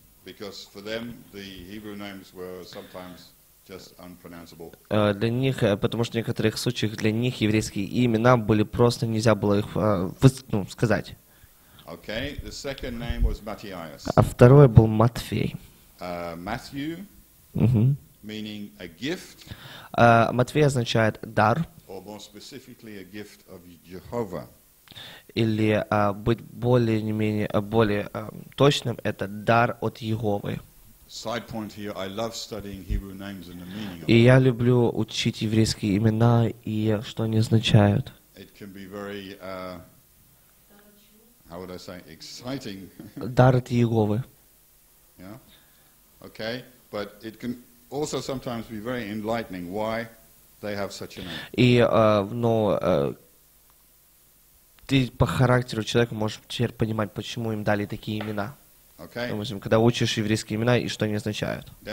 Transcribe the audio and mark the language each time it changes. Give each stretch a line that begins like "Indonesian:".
English: Because for them the Hebrew names were sometimes just unpronounceable.
Russian: Для них, потому что в некоторых случаях для них еврейские имена были просто нельзя было их сказать.
English: Okay, the second name was Matthias.
Russian: А второй был Матфей.
English: Matthew, meaning a gift.
Russian: Матфей означает дар.
English: Or more specifically, a gift of Jehovah.
Russian: Или быть более точным, это дар от Иеговы.
English: Side point here, I love studying Hebrew names and the meaning of them.
Russian: И я люблю учить еврейские имена и что они означают.
English: It can be very, how would I say, exciting.
Russian: Дар от Иеговы.
English: Yeah. Okay, but it can also sometimes be very enlightening why they have such a name.
Russian: Ты по характеру человека можешь теперь понимать, почему им дали такие имена.
English: Okay.
Russian: Допустим, когда учишь еврейские имена и что они означают.